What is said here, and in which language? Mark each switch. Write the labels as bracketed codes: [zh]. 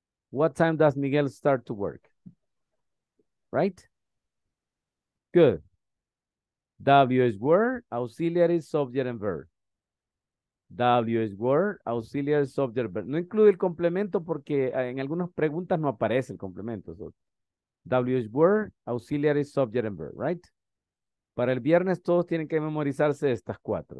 [en] What time does Miguel start to work? Right? Good. W is word, auxiliary, subject, and verb. W is word, auxiliary, subject, verb. [es] No incluye el complemento porque en algunas preguntas no aparece el complemento. [en] So. W is word, auxiliary, subject, and verb, right? [es] Para el viernes todos tienen que memorizarse estas cuatro.